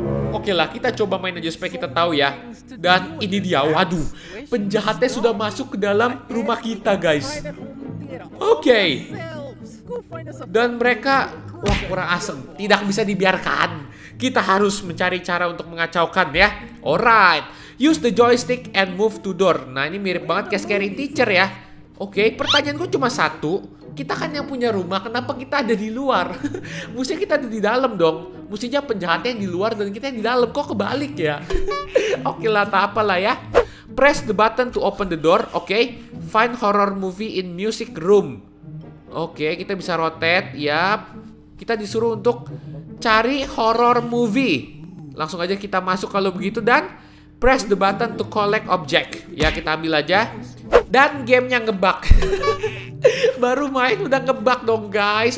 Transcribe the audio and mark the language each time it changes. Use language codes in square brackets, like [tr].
[id] Okay lah, kita coba main aja supaya kita tahu ya. Dan ini dia, waduh, penjahatnya sudah masuk ke dalam rumah kita, guys. Okay. Dan mereka, wah, kurang asem, tidak bisa dibiarkan. Kita harus mencari cara untuk mengacaukan ya. [en] Alright, use the joystick and move to door. [id] Nah, ini mirip banget kayak Scary Teacher ya. Okay, pertanyaan gue cuma satu. Kita kan yang punya rumah, kenapa kita ada di luar? Mesti kita ada di dalam dong. Mestinya penjahatnya yang di luar dan kita yang di dalam. Kok kebalik ya? Okay lah, tak apalah ya. [en] Press the button to open the door. Okay, find horror movie in music room. [id] Okay, kita bisa rotate. Yap, kita disuruh untuk cari horror movie. Langsung aja kita masuk kalau begitu dan [en] press the button to collect object. [id] Ya, kita ambil aja. Dan gamenya ngebug. Baru main udah ngebug dong guys.